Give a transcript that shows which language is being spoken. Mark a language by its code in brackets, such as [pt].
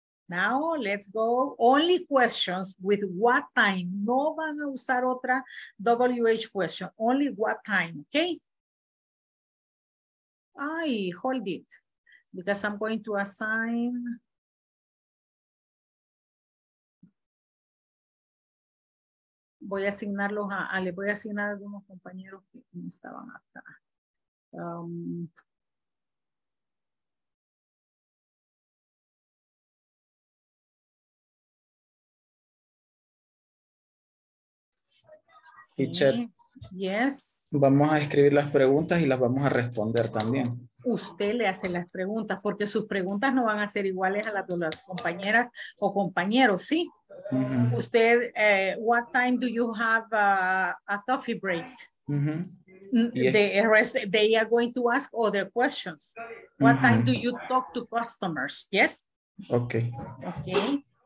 [en] Now let's go, only questions with what time. [es] No van a usar otra WH question, [en] only what time, okay? Ay, hold it, because I'm going to assign. [es] Voy a asignarlos a les voy a asignar a algunos compañeros que no estaban acá. [en] Teacher. Yes. [es] Vamos a escribir las preguntas y las vamos a responder también. Usted le hace las preguntas porque sus preguntas no van a ser iguales a las de las compañeras o compañeros, ¿sí? Uh-huh. Usted, [en] what time do you have a coffee break? Uh-huh. Yes. They are going to ask other questions. What uh-huh. time do you talk to customers? Yes? Okay. Okay.